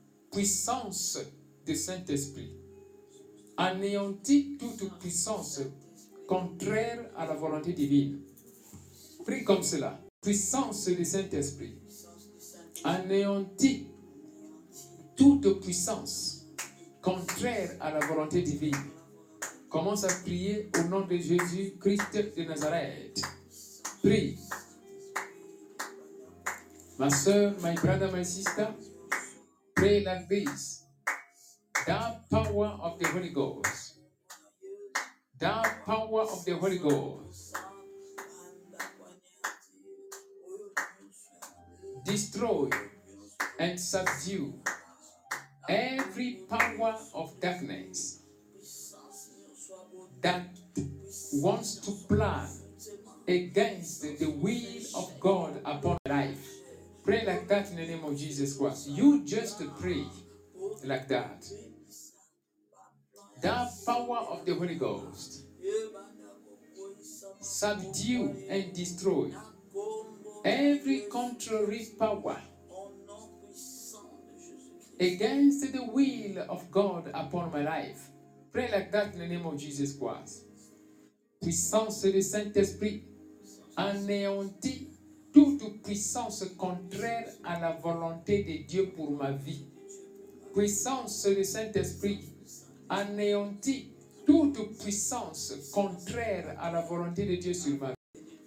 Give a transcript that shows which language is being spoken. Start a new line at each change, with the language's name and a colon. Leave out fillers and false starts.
French: puissance du Saint-Esprit, anéantit toute puissance contraire à la volonté divine. Prie comme cela. Puissance du Saint-Esprit, anéantit toute puissance contraire à la volonté divine. Commence à prier au nom de Jésus-Christ de Nazareth. Prie. Ma soeur,
English: my brother, my sister, pray like this. The power of the Holy Ghost. The power of the Holy Ghost. Destroy and subdue every power of darkness that wants to plan against the will of God upon life. Pray like that in the name of Jesus Christ. You just pray like that. The power of the Holy Ghost subdue and destroy every contrary power against the will of God upon my life. Pray like that in the name of Jesus Christ.
French: Puissance du Saint-Esprit anéantit toute puissance contraire à la volonté de Dieu pour ma vie. Puissance du Saint-Esprit anéantit toute puissance contraire à la volonté de Dieu sur ma vie.